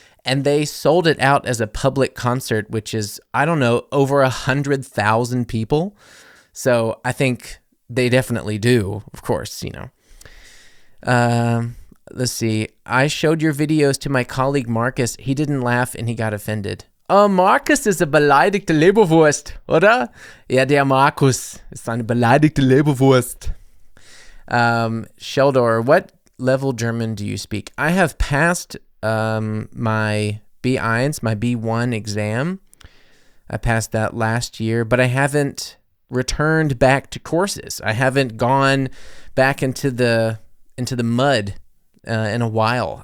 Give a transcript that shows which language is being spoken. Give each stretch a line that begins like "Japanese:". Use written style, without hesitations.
English: And they sold it out as a public concert, which is, I don't know, over 100,000 people. So I think they definitely do, of course, you know. Let's see. I showed your videos to my colleague Marcus. He didn't laugh and he got offended. Oh, Marcus is a
German: beleidigte Leberwurst, oder? Ja, der Markus ist eine beleidigte Leberwurst.
English: Sheldor, what level German do you speak? I have passed... my B1s, my B1 exam. I passed that last year, but I haven't returned back to courses. I haven't gone back into the mud in a while.